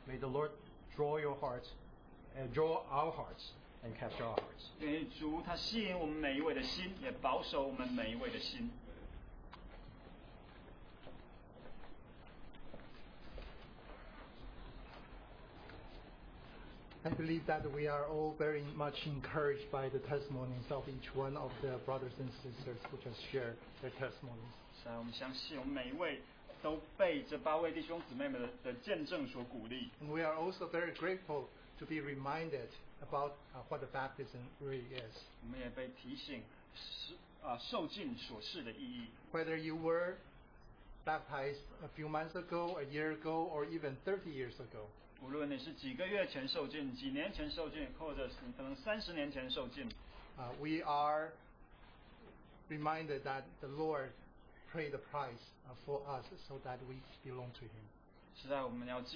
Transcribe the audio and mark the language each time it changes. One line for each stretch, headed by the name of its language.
English: May the Lord draw your hearts and draw our hearts and capture our hearts.
Chinese: 因为主他吸引我们每一位的心，也保守我们每一位的心。
English: I believe that we are all very much encouraged by the testimonies of each one of the brothers and sisters who just shared their testimonies. So,
Chinese: 我们相信我们每一位都被这八位弟兄姊妹们的见证所鼓励。
English: And we are also very grateful to be reminded about what the baptism really is.
Chinese: 我们也被提醒受浸所示的意义。
English: Whether you were baptized a few months ago, a year ago, or even 30 years ago,
Chinese: 无论你是几个月前受浸，几年前受浸，或者是你可能30年前受浸，
English: we are reminded that the Lord paid the price for us so that we belong to Him.